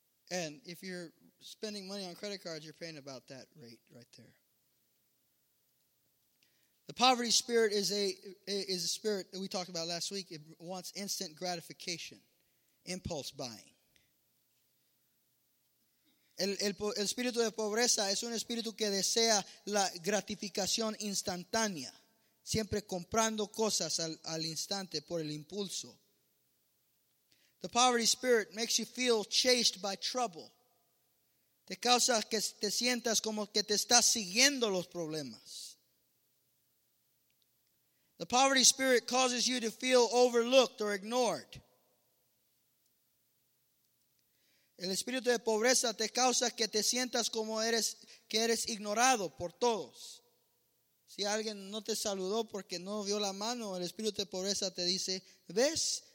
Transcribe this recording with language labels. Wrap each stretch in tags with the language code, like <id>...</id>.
<en>And if you're spending money on credit cards, you're paying about that rate right there. The poverty spirit is a spirit that we talked about last week. It wants instant gratification, impulse buying.</en> <es>El espíritu de pobreza es un espíritu que desea la gratificación instantánea. Siempre comprando cosas al instante por el impulso.</es> <en>The poverty spirit makes you feel chased by trouble.</en> <es>Te causa que te sientas como que te estás siguiendo los problemas.</es> <en>The poverty spirit causes you to feel overlooked or ignored.</en> <es>El espíritu de pobreza te causa que te sientas como eres ignorado por todos. Si alguien no te saludó porque no vio la mano, el espíritu de pobreza te dice, ¿ves?</es>